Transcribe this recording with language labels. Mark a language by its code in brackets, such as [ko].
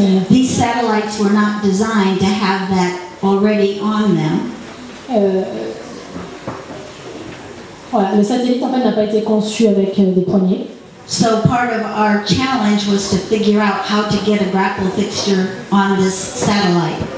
[en] These satellites were not designed to have that already on them. [fr] Voilà, le satellite en fait n'a pas été conçu avec des poignées. [en] So part of our challenge was to figure out how to get a grapple fixture on this satellite.